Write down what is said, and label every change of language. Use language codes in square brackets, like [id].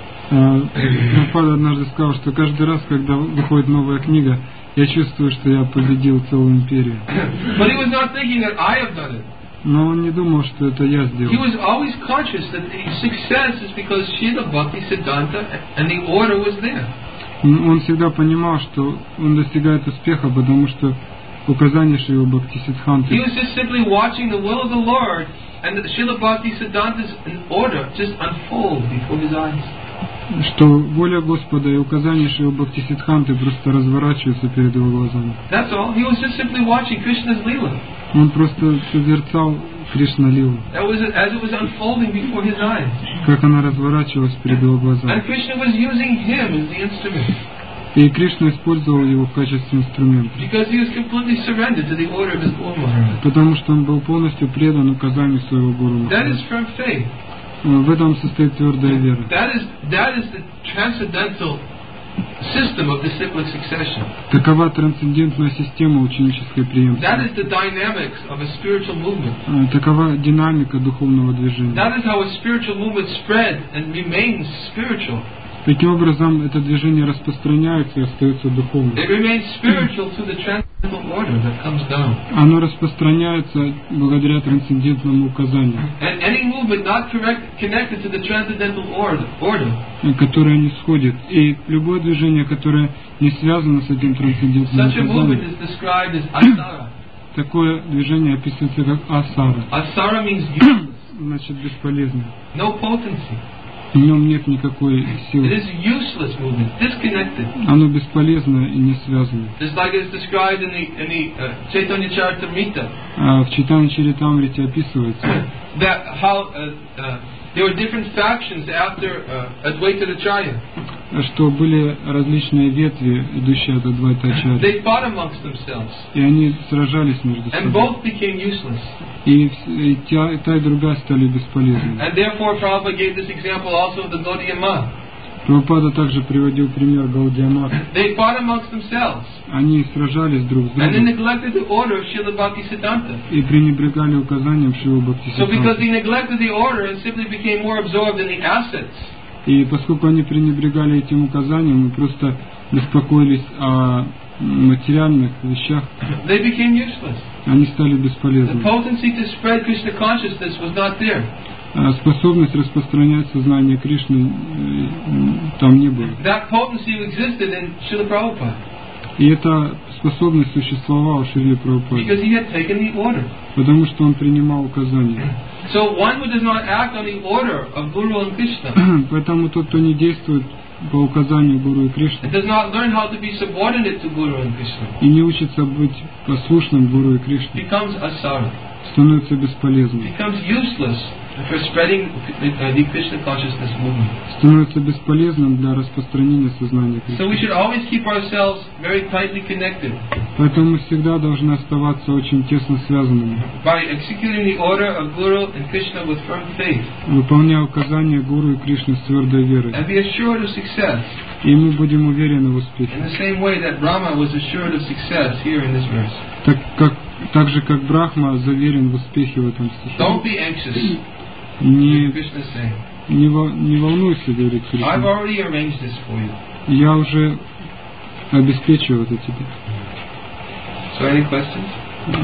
[ru] Prabhupada однажды сказал, что каждый раз, когда выходит новая книга, я чувствую, что я победил целую империю. [en] But he was not thinking that I have done it. [ru] Но он не думал, что это я сделал. [en] He was always conscious that the success is because Srila Bhakti Siddhanta and the order was there. [ru] Он всегда понимал, что он достигает успеха, потому что указание Шрилы Бхакти Сиддханты. [en] He was just simply watching the will of the Lord and Srila Bhakti Siddhanta's order just unfold before his eyes. [ru] что воля Господа и указания Шрилы Бхактисиддханты просто разворачиваются перед его глазами. [en] That's all. He was just simply watching Krishna's lila. [ru] Он просто созерцал Кришна лилу. [en] That was as it was unfolding before his eyes. [ru] Как она разворачивалась перед его глазами. [en] And Krishna was using him as the instrument. [ru] И Кришна использовал его в качестве инструмента. [en] Because he was completely surrendered to the order of his Guru Maharaj. [ru] Потому что он был полностью предан указанию своего Гуру Махараджа. [en] That is from faith. [ru] В этом состоит твердая вера. [en] That is the transcendental system of disciplic succession. [ru] Такова трансцендентная система ученической преемственности. [en] That is the dynamics of a spiritual movement. [ru] Такова динамика духовного движения. [en] That is how a spiritual movement spread and remains spiritual. [ru] Таким образом, это движение распространяется и остается духовным. [en] It remains spiritual through the transcendental order that comes down. [ru] Оно распространяется благодаря трансцендентному указанию. [en] And any movement not connected to the transcendental order, [ru] которое не сходит, и любое движение, которое не связано с этим трансцендентным [en] such [ru] указанием. [en] Such a movement is described as asara. [ru] Такое движение описывается как асара. [en] Asara means useless. [ru] Значит, бесполезно. [en] No potency. [ru] В нем нет никакой силы. [en] It is useless movement, disconnected. [ru] Оно бесполезно и не связано. [en] It's like it's described in the Chaitanya Charitamrita. [ru] В Чайтанья Чаритамрите описывается. [en] That how there were different factions after Advaita Acharya. [ru] Что были различные ветви, идущие от Адвайта Ачарьи. [en] They fought amongst themselves. [ru] И они сражались между [en] and [ru] собой. [en] And both became useless. [ru] И та и другая стали бесполезны. [en] And therefore, Prabhupada gave this example also of the Gaudiya Math. [ru] Прабхупада также приводил пример Гаудия Матх. [en] They fought amongst themselves. [ru] Они сражались друг с другом. [en] And they neglected the order of Śrīla Bhaktisiddhānta. [ru] И пренебрегали указанием Śrīla Bhaktisiddhānta. [en] So because they neglected the order, and simply became more absorbed in the assets. [ru] И поскольку они пренебрегали этим указанием, мы просто беспокоились о материальных вещах. [en] They became useless. [ru] Они стали бесполезны. [en] The potency to spread Krishna consciousness was not there. [ru] Способность распространять сознание Кришны там не было. [en] That potency existed in Śrīla Prabhupāda. [ru] И эта способность существовала в Шриле Прабхупаде. [en] Because he had taken the order. [ru] Потому что он принимал указания. [en] So one who does not act on the order of Guru and Krishna. [ru] Поэтому тот, кто не действует по указанию Гуру и Кришны. [en] Does not learn how to be subordinate to Guru and Krishna. [ru] И не учится быть послушным Гуру и Кришне. [en] Becomes asara. [ru] Становится бесполезным. [en] Becomes useless for spreading the Krishna consciousness movement. [ru] Становится бесполезным для распространения сознания Кришны. [en] So we should always keep ourselves very tightly connected. [ru] Поэтому мы всегда должны оставаться очень тесно связанными. [en] By executing the order of Guru and Krishna with firm faith. [ru] Выполняя указания Гуру и Кришны с твердой верой. [en] And be assured of success. [ru] И мы будем уверены в успехе. [en] In the same way that Brahma was assured of success here in this verse. [ru] Так же, как Брахма заверен в успехе в этом стихе. [en] Don't be anxious. [ru] Не волнуйся, говорит Кришна. [en] I've already arranged this for you. [ru] Я уже обеспечиваю это тебе. [en] So any questions?